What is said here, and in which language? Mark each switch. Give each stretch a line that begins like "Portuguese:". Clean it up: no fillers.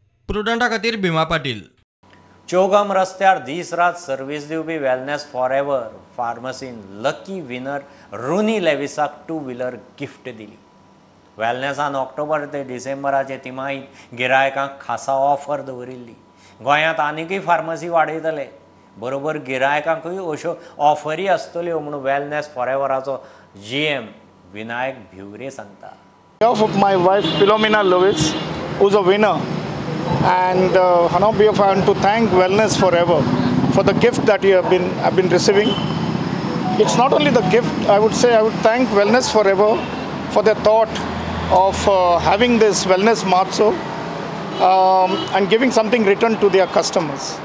Konkani: प्रुडंटा खातीर भिमा पाटील. चौगाम रस्त्यार दीस रात सर्वीस दिवपी वेलनेस फॉर एवर फार्मसीन लकी विनर रुनी लेविसाक टू व्हिलर गिफ्ट दिली. वेलनेसान ऑक्टोबर ते डिसेंबराचे तिमाहीत गिरायकांक खासा ऑफर दवरिल्ली. गोंयांत आनीकय फार्मसी वाडयतले बरोबर गिरायकांकूय अश्यो ऑफरी आसतल्यो म्हणून वेलनेस फॉर एवराचो GM विनायक भिवरे सांगता.
English: Behalf of my wife Philomena Lewis, who's a winner, and on behalf of to thank Wellness Forever for the gift that you have been receiving. It's not only the gift, I would thank Wellness Forever for the thought of having this Wellness Matsu and giving something return to their customers.